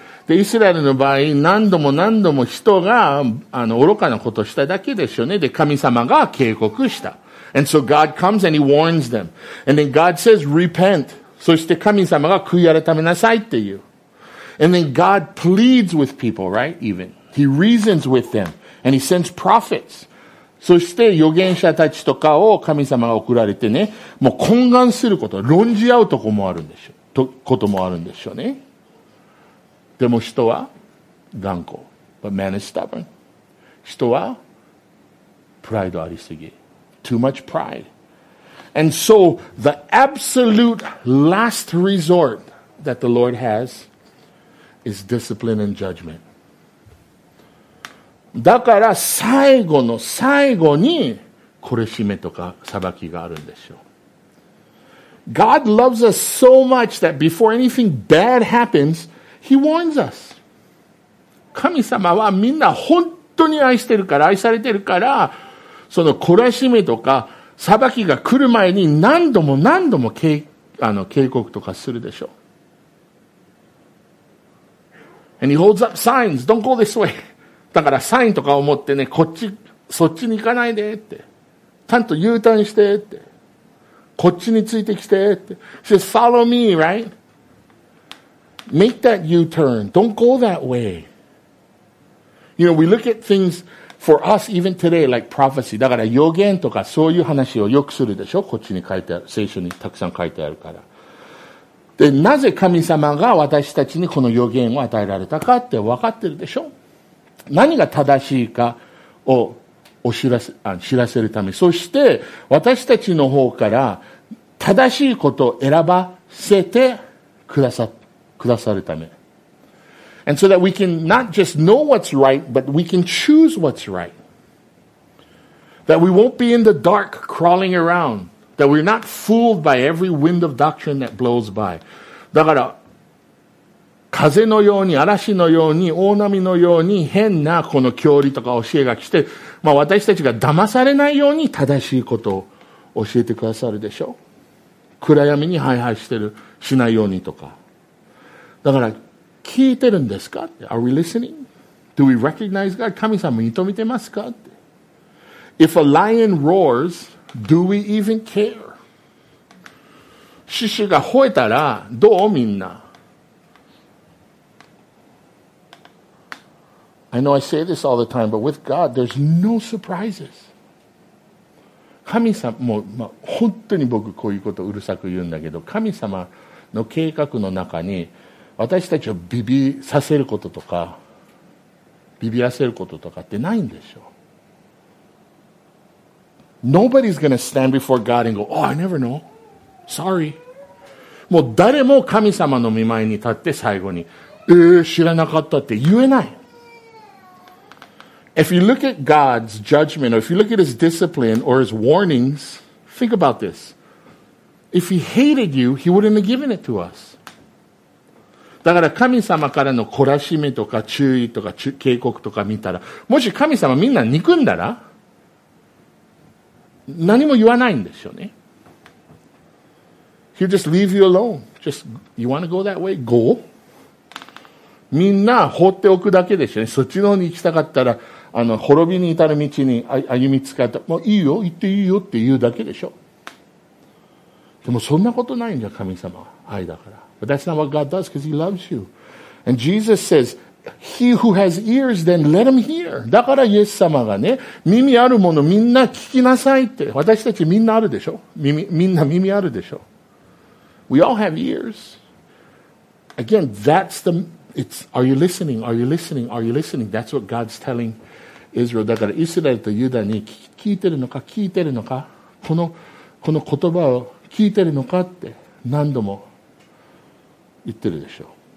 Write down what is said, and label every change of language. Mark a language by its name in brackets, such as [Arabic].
[Japanese] で、イスラエルの場合、何度も何度も人が、愚かなことをしただけでしょうね。で、神様が警告した。 [English] And so God comes and he warns them. And then God says, repent. [Japanese] そして神様が悔い改めなさいっていう。 [English] And then God pleads with people, right? Even. He reasons with them. And he sends prophets. [Japanese] そして預言者たちとかを神様が送られてね、もう懇願すること、論じ合うとこもあるんでしょう、と、こともあるんでしょうね。でも人は頑固。 [English] But man is stubborn. [Japanese] 人はプライドありすぎ。 [English] Too much pride. And so, the absolute last resort that the Lord has is discipline and judgment. [Japanese] だから最後の最後に懲らしめとか裁きがあるんでしょう。 [English] God loves us so much that before anything bad happens, He warns us. [Japanese] 神様はみんな本当に愛してるから、愛されてるから、その懲らしめとか裁きが来る前に何度も何度も警告とかするでしょう。 [English] And He holds up signs, don't go this way. [Japanese] だからサインとかを持ってね、こっち、そっちに行かないでって。ちゃんと U ターンしてって。こっちについてきてって。 [English] Just follow me, right? Make that U turn. Don't go that way. You know, we look at things for us even today, like prophecy. [Japanese] だから予言とかそういう話をよくするでしょ？こっちに書いてある。聖書にたくさん書いてあるから。で、なぜ神様が私たちにこの予言を与えられたかって分かってるでしょ？何が正しいかを知らせるため、そして私たちの方から正しいことを選ばせてくださるため。 [English] And so that we can not just know what's right, but we can choose what's right. That we won't be in the dark crawling around. That we're not fooled by every wind of doctrine that blows by. [Japanese] だから、風のように、嵐のように、大波のように、変なこの教理とか教えが来て、まあ私たちが騙されないように正しいことを教えてくださるでしょ。暗闇にハイハイしてる、しないようにとか。だから、聞いてるんですか？ [English] Are we listening? Do we recognize God? [Japanese] 神様認めてますか？ [English] If a lion roars, do we even care? [Japanese] 獅子が吠えたら、どう？みんな。 [English] I know I say this all the time, but with God, there's no surprises. [Japanese] 神様も、まあ、本当に僕こういうことをうるさく言うんだけど、神様の計画の中に私たちをビビさせることとか、ビビらせることとかってないんでしょう。 [English] Nobody's gonna stand before God and go, oh, I never know. Sorry. [Japanese] もう誰も神様の御前に立って最後に、知らなかったって言えない。 [English] If you look at God's judgment, or if you look at His discipline, or His warnings, think about this. If He hated you, He wouldn't have given it to us. [Japanese] だから神様からの懲らしめとか注意とか警告とか見たら、もし神様みんな憎んだら何も言わないんですよね。 [English] He'll just leave you alone. Just, you want to go that way? Go. [Japanese] みんな放っておくだけですよね。そっちの方に行きたかったら、あの滅びに至る道に歩みつかった、もういいよ、行っていいよって言うだけでしょ。でもそんなことないんじゃ、神様は愛だから。 [English] But that's not what God does, because he loves you. And Jesus says, he who has ears, then let him hear. [Japanese] だからイエス様がね、耳あるものみんな聞きなさいって。私たちみんなあるでしょ、みんな耳あるでしょ。 [English] We all have ears. Again, that's the, it's, are you listening? Are you listening? Are you listening? That's what God's tellingIsrael、 [Japanese] だからイスラエルとユダに聞いてるのか、聞いてるのか、この言葉を聞いてるのかって何度も言ってるでしょう。